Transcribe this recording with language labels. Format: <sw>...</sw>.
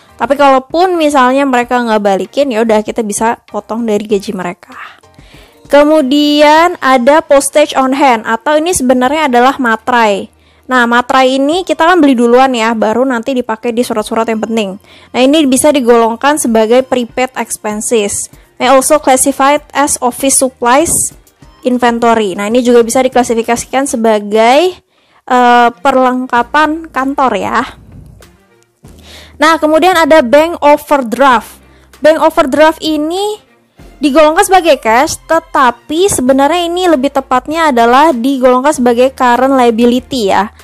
<id>Tapi kalaupun misalnya mereka nggak balikin, ya udah kita bisa potong dari gaji mereka. Kemudian ada postage on hand, atau ini sebenarnya adalah materai. Nah, materai ini kita kan beli duluan ya, baru nanti dipakai di surat-surat yang penting. Nah, ini bisa digolongkan sebagai prepaid expenses.</id> <en>May also classified as office supplies inventory.</en> <id>Nah, ini juga bisa diklasifikasikan sebagai perlengkapan kantor ya. Nah, kemudian ada bank overdraft. Bank overdraft ini digolongkan sebagai cash, tetapi sebenarnya ini lebih tepatnya adalah digolongkan sebagai current liability ya.</id>